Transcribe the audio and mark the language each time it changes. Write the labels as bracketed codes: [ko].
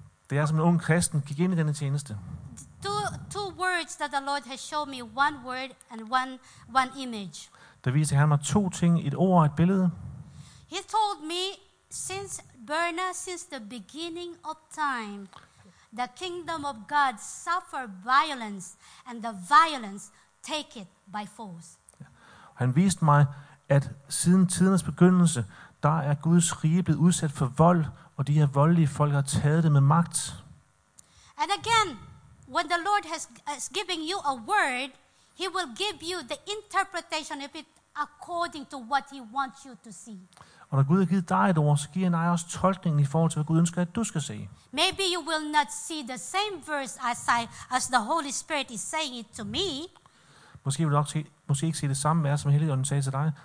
[da] Det er som en ung kristen gik ind i denne tjeneste. [en] Two words that the Lord has shown me, one word and one image. [da] Der viste han mig to ting, et ord og et billede. [en] He told me since Berna, since the beginning of time, the kingdom of God suffer violence and the violence take it by force. [da] Han viste mig at siden tidens begyndelse, der er Guds rige blevet udsat for vold, og de her voldelige folk har taget det med magt. [en] And again, when the Lord has given you a word, he will give you the interpretation of it according to what he wants you to see. [da] Og når Gud har givet dig et ord, så giver han dig også tolkningen i forhold til, hvad Gud ønsker, at du skal se. [en] Maybe you will not see the same verse as the Holy Spirit is saying it to me. [da] Måske vil du også måske ikke se det samme vers, som Helligånden sagde til dig.